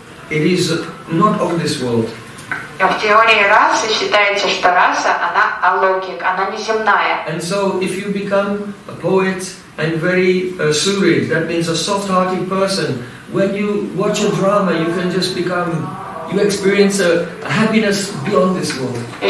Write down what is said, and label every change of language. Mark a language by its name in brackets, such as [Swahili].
[English] It is not of this world. [Russian] В теории расы считается, что раса, она алаукик, она неземная. [English] And so if you become a poet and very surid, that means a soft-hearted person, when you watch a drama, you can just become, you experience a happiness beyond this world.